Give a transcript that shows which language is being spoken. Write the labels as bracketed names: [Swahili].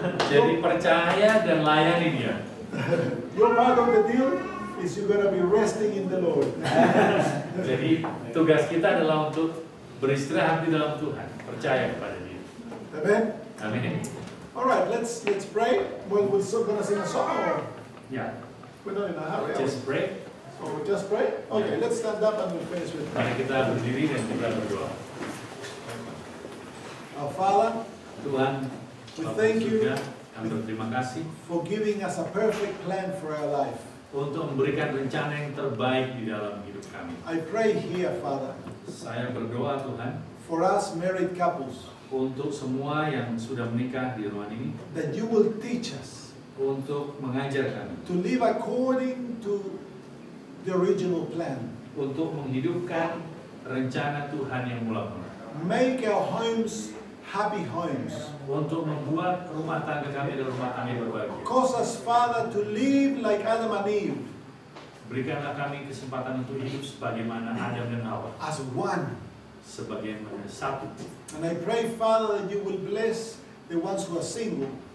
[Indonesian] Jadi percaya dan layani Dia. [English] Your part of the deal is you're gonna be resting in the Lord. [Indonesian] Jadi tugas kita adalah untuk beristirahat di dalam Tuhan, percaya kepada Dia. [English] Amen. [Indonesian] Amin. [English] All right, let's pray. We're still gonna sing a song. Or? Yeah. We're not in a hurry. Just pray. So we'll just pray? Okay, yeah. Let's stand up and we'll finish with prayer. Mari [Indonesian] kita berdiri dan kita berdoa. Our [English] Father, we thank you. [Indonesian] Kami berterima kasih. [English] For giving us a perfect plan for our life. [Indonesian] Untuk memberikan rencana yang terbaik di dalam hidup kami. [English] I pray here, Father. [Indonesian] Saya berdoa, Tuhan. [English] For us married couples. [Indonesian] Untuk semua yang sudah menikah di ruangan ini. [English] That you will teach us. [Indonesian] Untuk mengajar kami. [English] To live according to the original plan. [Indonesian] Untuk menghidupkan rencana Tuhan yang mula-mula. [English] Make our homes happy homes. [Indonesian] Untuk membuat rumah tangga kami adalah rumah tangga yang berbahagia. [English] Cause us, Father, to live like Adam and Eve. [Indonesian] Berikanlah kami kesempatan untuk hidup sebagaimana Adam dan Hawa. [English] As one. [Indonesian] Sebagaimana satu. [English] And I pray, Father, that you will bless the ones who are single.